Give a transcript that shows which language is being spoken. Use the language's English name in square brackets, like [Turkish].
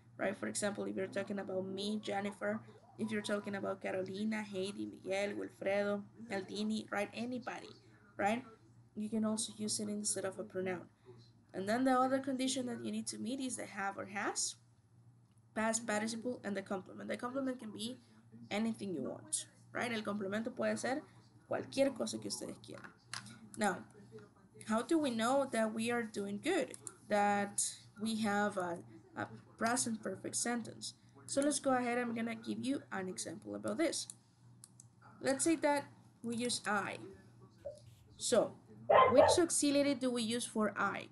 [English] Right, for example, if you're talking about me, Jennifer, if you're talking about Carolina, Heidi, Miguel, Wilfredo, Aldini, right, anybody, right? You can also use it instead of a pronoun. And then the other condition that you need to meet is the have or has, past participle, and the complement. The complement can be anything you want, right? [Spanish] El complemento puede ser cualquier cosa que ustedes quieran. [English] Now, how do we know that we are doing good, that we have a present perfect sentence? So let's go ahead. I'm gonna give you an example about this. Let's say that we use I. So, which auxiliary do we use for I?